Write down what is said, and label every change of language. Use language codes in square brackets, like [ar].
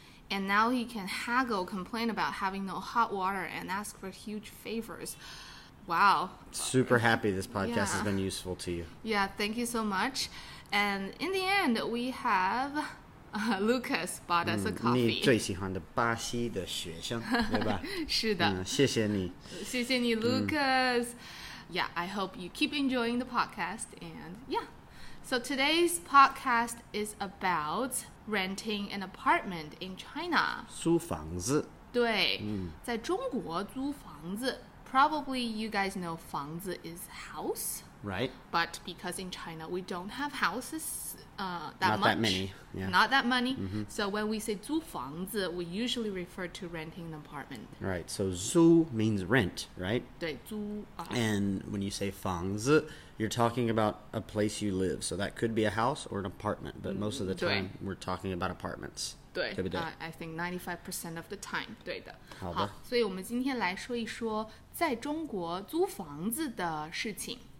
[en] And now he can haggle, complain about having no hot water, and ask for huge favors. Wow. Super happy this podcast、has been useful to you. Yeah, thank you so much. And in the end, we have、Lucas bought us a coffee. [zh] 你最喜欢的巴西的学生，对吧？是的、谢谢你。谢谢你 [en] ,Lucas.、Yeah, I hope you keep enjoying the podcast. And yeah. So today's podcast is about... Renting an apartment in China. [zh] 租房子。对、在中国租房子。 [en] Probably you guys know 房子 is house. Right. But because in China we don't have houses、 that not much. Not that many.、 Not that many.、So when we say 租房子 we usually refer to renting an apartment. Right. So 租 means rent, right? [zh] 对租、 [en] And when you say 房子You're talking about a place you live. So that could be a house or an apartment. But most of the time, we're talking about apartments. [zh] 对, 对不对、 [en] I think 95% of the time. [zh] 对的。好的。所以我们今天来说一说在中国租房子的事情。